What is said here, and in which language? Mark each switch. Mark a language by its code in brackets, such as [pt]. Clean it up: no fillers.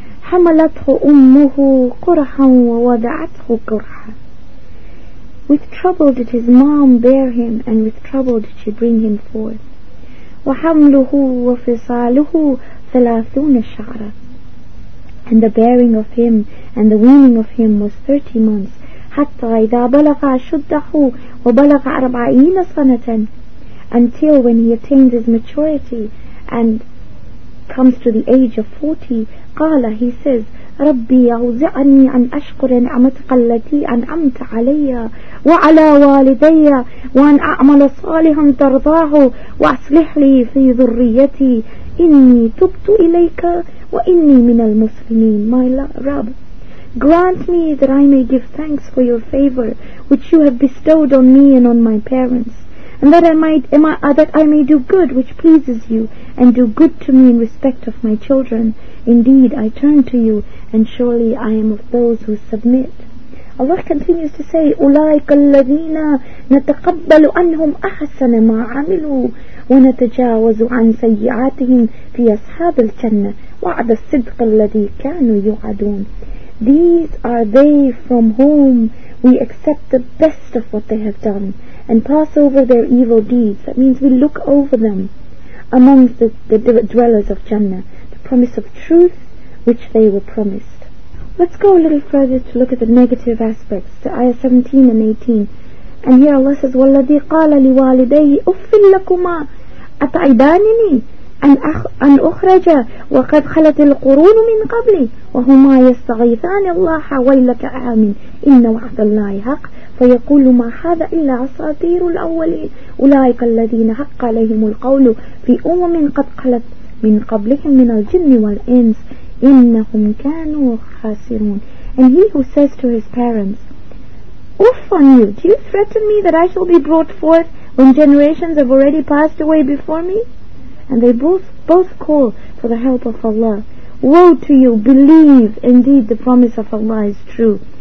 [ar] حَمَلَتْهُ أُمُّهُ قُرْحًا وَوَدَعَتْهُ قُرْحًا, [en] with trouble did his mom bear him, and with trouble did she bring him forth. [ar] وَحَمْلُهُ وَفِصَالُهُ ثَلَاثُونَ شَعْرًا, [en] and the bearing of him and the weaning of him was 30 months. [ar] حَتَّى إِذَا بَلَغَ شُدَّهُ وَبَلَغَ أَرْبَعِينَ سَنَةً, [en] until when he attains his maturity and comes to the age of 40, [ar] قَالَ, [en] he says, [ar] رَبِّي أَوْزِعَنِي أَنْ أَشْكُرَ نِعْمَتَكَ الَّتِي أَنْعَمْتَ عَلَيَّ وَعَلَى وَالِدَيَّ وَأَنْ أَعْمَلَ صَالِحًا تَرْضَاهُ وَأَصْلِحْ لِي فِي ذُرِّيَّتِي إِنِّي تُبْتُ إِلَيْكَ وَإِنِّي مِنَ الْمُسْلِمِينَ. [en] My Rabb, grant me that I may give thanks for your favor which you have bestowed on me and on my parents, and that I may do good which pleases you, and do good to me in respect of my children. Indeed, I turn to you, and surely I am of those who submit. Allah continues to say, [ar] أُولَٰئِكَ الَّذِينَ نَتَقَبَّلُ أَنْهُمْ أَحَسَنَ مَا عَمِلُوا وَنَتَجَاوَزُ عَنْ سَيِّعَاتِهِمْ فِي أَصْحَابِ الْجَنَّةِ وَعْدَ الصِّدْقِ الَّذِي كَانُوا يُوعَدُونَ. [en] These are they from whom we accept the best of what they have done and pass over their evil deeds. That means we look over them amongst the dwellers of Jannah, the promise of truth which they were promised. Let's go a little further to look at the negative aspects, to Ayah 17 and 18. And here Allah says, [ar] وَالَّذِي قَالَ لِوَالِدَيْهِ أُفٍّ لَكُمَا أَتَعِدَانِنِي أن أخرج وقد خلت القرون من قبلي وهما يستغيثان الله ويلك آمن إن وعد الله حق فيقول ما هذا إلا أساطير الأولين أولئك الذين حق عليهم القول في أمم قد خلت من قبلهم من الجن والإنس إنهم كانوا خاسرون. [en] And he who says to his parents, "Oof on you, do you threaten me that I shall be brought forth when generations have already passed away before me?" And they both call for the help of Allah. Woe to you, believe, indeed the promise of Allah is true.